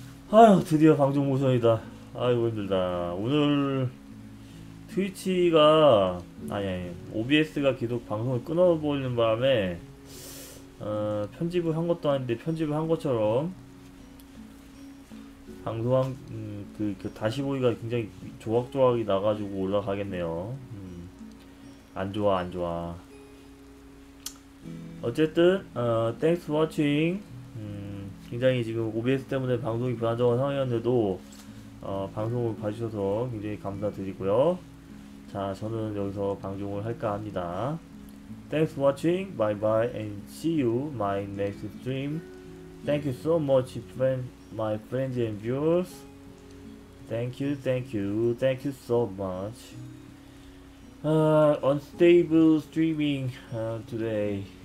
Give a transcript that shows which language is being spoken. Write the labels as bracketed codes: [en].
[ko] 아휴, 드디어 방종 모션이다. 아이고, 힘들다. 오늘 트위치가, 아니, OBS가 계속 방송을 끊어버리는 바람에, 편집을 한 것도 아닌데, 편집을 한 것처럼, 방송한, 다시 보기가 굉장히 조각조각이 나가지고 올라가겠네요. 안 좋아, 안 좋아. [en] 어쨌든, thanks for watching. [ko] 굉장히 지금 OBS 때문에 방송이 불안정한 상황이었는데도, 방송을 봐주셔서 굉장히 감사드리고요. 자, 저는 여기서 방송을 할까 합니다. [en] Thanks for watching. Bye bye and see you my next stream. Thank you so much, my friends and viewers. Thank you, thank you, thank you so much. Unstable streaming today.